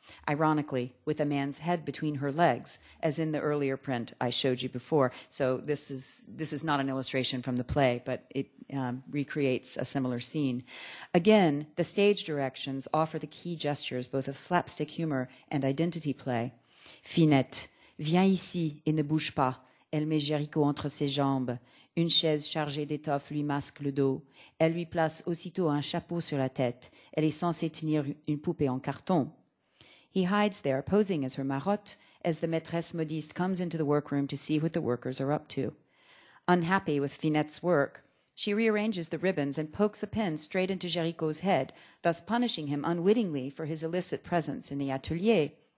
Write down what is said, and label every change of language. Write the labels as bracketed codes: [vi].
[en] Ironically, with a man's head between her legs, as in the earlier print I showed you before. So this is not an illustration from the play, but it recreates a similar scene. Again, the stage directions offer the key gestures both of slapstick humor and identity play. [fr] Finette, viens ici et ne bouge pas. Elle met Géricault entre ses jambes. Une chaise chargée d'étoffe lui masque le dos. Elle lui place aussitôt un chapeau sur la tête. Elle est censée tenir une poupée en carton. [en] He hides there, posing as her marotte, as the maîtresse modiste comes into the workroom to see what the workers are up to. Unhappy with Finette's work, she rearranges the ribbons and pokes a pin straight into Géricault's head, thus punishing him unwittingly for his illicit presence in the atelier.